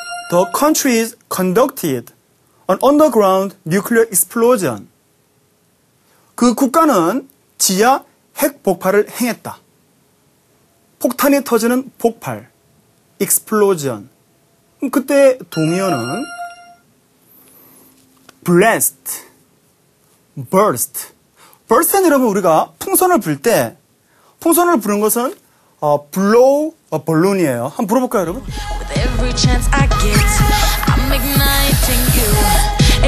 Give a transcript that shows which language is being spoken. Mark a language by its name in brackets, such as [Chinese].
[English] The country is conducted an underground nuclear explosion. [Korean] 그 국가는 지하 핵폭발을 행했다. 폭탄이 터지는 폭발. explosion. 그때 동의어는 blast, burst. burst는 여러분 우리가 풍선을 불 때, 풍선을 부는 것은 [English] blow a balloon [Korean] 이에요. 한번 불어볼까요, 여러분? [English] With every chance I get, I'm igniting you.